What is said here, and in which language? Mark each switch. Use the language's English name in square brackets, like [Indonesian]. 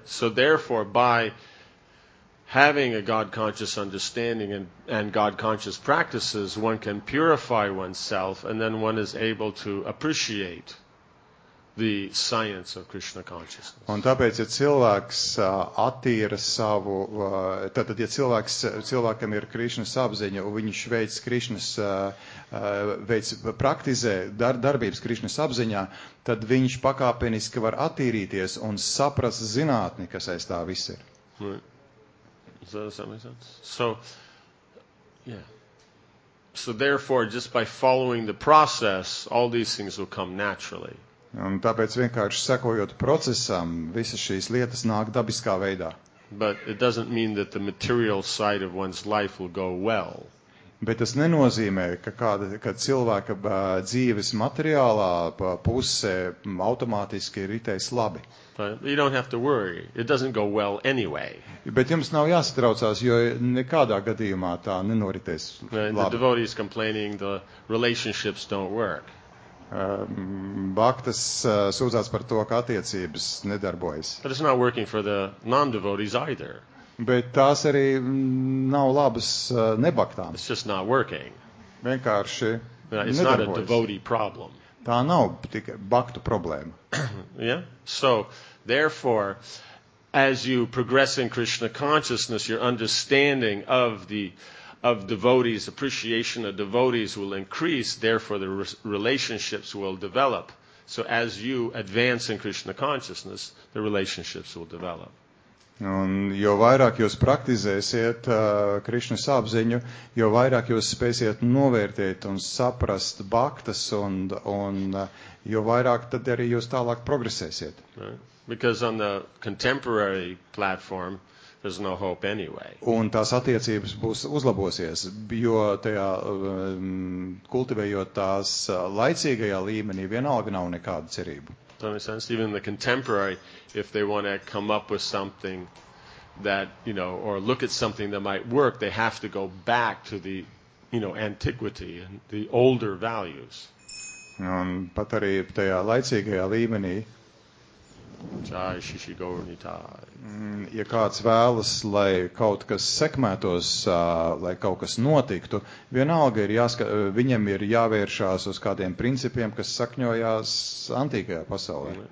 [English] So therefore, by having a God-conscious understanding and God-conscious practices, one can purify oneself and then one is able to appreciate the science of Krishna consciousness. [Latvian] Un tāpēc, ja cilvēks attīra savu, tad ja cilvēkam ir Krišnas apziņa un viņš veic Krišnas, veic praktizē darbības Krišnas apziņā, tad viņš pakāpeniski var attīrīties un saprast zinātni, kas aiz tā viss ir. [English] Right. Does that make sense? So, yeah. So therefore, just by following the process, all these things will come naturally. [Latvian] Un tāpēc vienkārši sekojot procesam, visas šīs lietas nāk dabiskā veidā. [English] But it doesn't mean that the material side of one's life will go well. [Latvian] Bet tas nenozīmē, ka cilvēka dzīves materiālā puse automātiski ritēs labi. [English] But you don't have to worry. It doesn't go well anyway. [Latvian] Bet jums nav jāsatraucās, jo nekādā gadījumā tā nenoritēs labi. [English] The devotee is complaining the relationships don't work. [Latvian] Bhaktas sūdzās par to, ka attiecības nedarbojas. [English] But it's not working for the non-devotees either. [Latvian] Bet tās arī nav labas nebaktām. [English] It's just not working. [Latvian] Vienkārši [English] it's [Latvian] nedarbojas. [English] Not a devotee problem. [Latvian] Tā nav tikai baktu problēma. [English] Yeah? So, therefore, as you progress in Krishna consciousness, your understanding of devotees, appreciation of devotees will increase, therefore the relationships will develop. So as you advance in Krishna consciousness, the relationships will develop. [Latvian] Un jo vairāk jūs praktizēsiet Krišnas apziņu, jo vairāk jūs spēsiet novērtēt un saprast baktas un jo vairāk tad arī jūs tālāk progresēsiet. [English] Right. Because on the contemporary platform, There's no hope anyway. [Latvian] Un tās attiecības būs uzlabosies, jo tajā kultivējot tās laicīgajā līmenī vienalga nav nekāda cerība. [English] So in a sense, even the contemporary, if they want to come up with something that, you know, or look at something that might work, they have to go back to the, you know, antiquity and the older values. [Latvian] Un pat arī tajā laicīgajā līmenī, ja kāds vēlas, lai kaut kas sekmētos, lai kaut kas notiktu, vienalga ir viņam ir jāvēršās uz kādiem principiem, kas sakņojās antīkajā pasaulē.